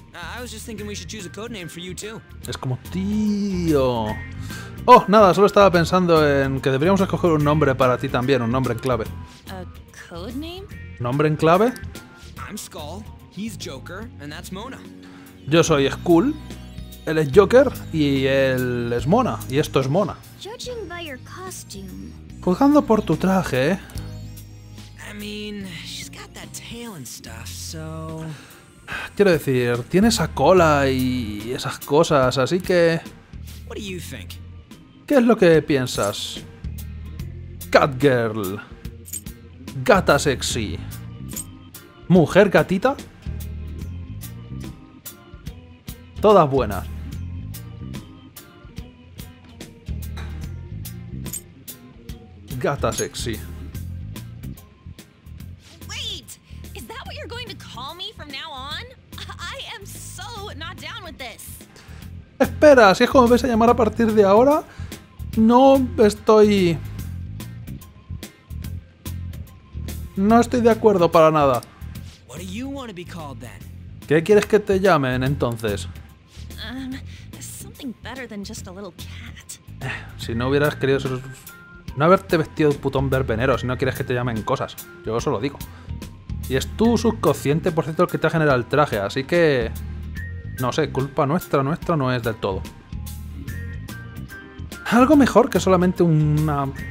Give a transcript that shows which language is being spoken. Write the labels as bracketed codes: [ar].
[en] I was just thinking we should choose a code name for you too. [es] Es como, tío... Oh, nada, solo estaba pensando en que deberíamos escoger un nombre para ti también, un nombre en clave. [en] A code name? [es] ¿Nombre en clave? [en] I'm Skull, he's Joker, and that's Mona. [es] Yo soy Skull, él es Joker, y él es Mona, y esto es Mona. [en] Judging by your costume... [es] Juzgando por tu traje, [en] I mean, she's got that tail and stuff, so... [es] Quiero decir, tiene esa cola y esas cosas, así que... [en] What do you think? [es] ¿Qué es lo que piensas? Catgirl. Gata sexy. ¿Mujer gatita? Todas buenas. Gata sexy. [en] Wait, is that what you're going to call me from now on? I am so not down with this. [es] Espera, si es como me vais a llamar a partir de ahora, no estoy. No estoy de acuerdo para nada. [en] What do you want to be called then? [es] ¿Qué quieres que te llamen entonces? [en] Something better than just a little cat. [es] Si no hubieras querido ser. No haberte vestido de putón verbenero, si no quieres que te llamen cosas. Yo eso lo digo. Y es tu subconsciente, por cierto, el que te ha generado el traje, así que... No sé, culpa nuestra no es del todo. Algo mejor que solamente una...